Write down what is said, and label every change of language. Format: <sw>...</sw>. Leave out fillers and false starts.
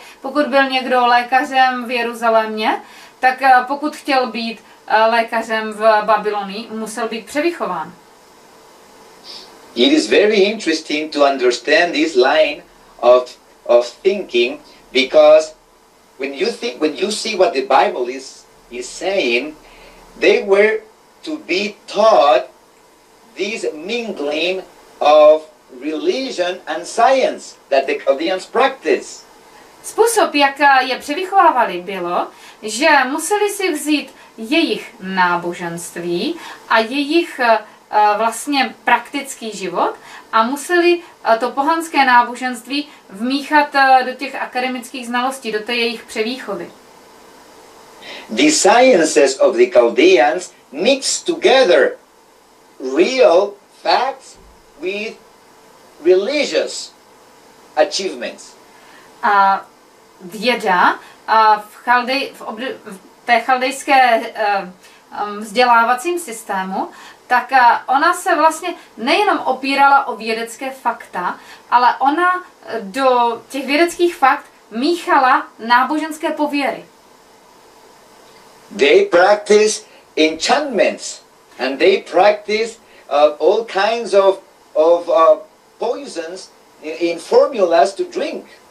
<cs>Pokud byl někdo lékařem v Jeruzalémě, tak pokud chtěl být lékařem v Babylonii, musel být převychován.</cs> <en>It is very interesting to understand this line of thinking, because when you see what the Bible is saying, they were to be taught this mingling of religion and science that the Chaldeans practice.</en> <cs>Způsob, jak je převychovávali, bylo, že museli si vzít jejich náboženství a jejich vlastně praktický život a museli to pohanské náboženství vmíchat do těch akademických znalostí, do té jejich převýchovy.</cs> <en>The sciences of the Chaldeans mix together real facts with religious achievements.</en> <cs>A věda v té chaldejské vzdělávacím systému, tak ona se vlastně nejenom opírala o vědecké fakta, ale ona do těch vědeckých fakt míchala náboženské pověry.</cs> <en>They practice enchantments and they practice all kinds of poisons in formulas to drink.</en>